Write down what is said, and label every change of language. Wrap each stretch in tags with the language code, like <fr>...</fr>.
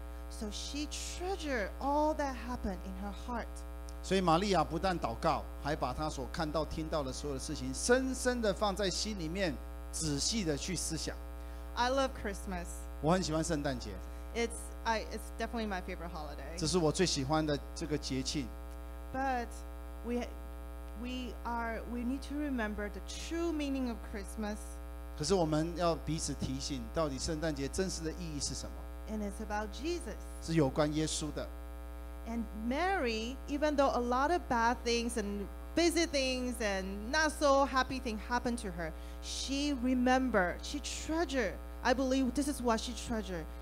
<en>So she treasured all that happened in her heart.</en> <zh>所以玛利亚不但祷告, 还把她所看到, 听到的所有的事情, 深深地放在心里面, 仔细地去思想。</zh> <en>I love Christmas.</en> <zh>我很喜欢圣诞节。</zh> <en>It's definitely my favorite holiday.</en> <zh>这是我最喜欢的这个节庆。</zh> <en>But we need to remember the true meaning of Christmas.</en> <zh>可是我们要彼此提醒, 到底圣诞节真实的意义是什么?</zh> <en>And it's about Jesus.</en> <zh>是有关耶稣的。</zh> <en>And Mary, even though a lot of bad things and busy things and not so happy things happened to her, she remembered, she treasured, I believe this is what she treasured.</en>